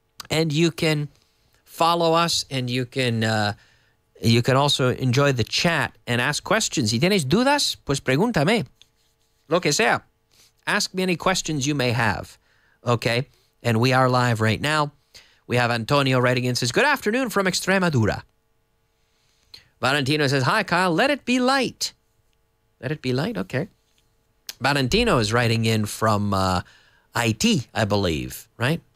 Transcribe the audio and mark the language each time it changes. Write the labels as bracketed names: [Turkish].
[English] And you can follow us, and you can also enjoy the chat and ask questions. [Spanish] Si tienes dudas, pues pregúntame. Lo que sea. [English] Ask me any questions you may have. Okay? And we are live right now. We have Antonio writing in, says, good afternoon from Extremadura. Valentino says, hi, Kyle. Let it be light. Let it be light? Okay. Valentino is writing in from IT, I believe, right?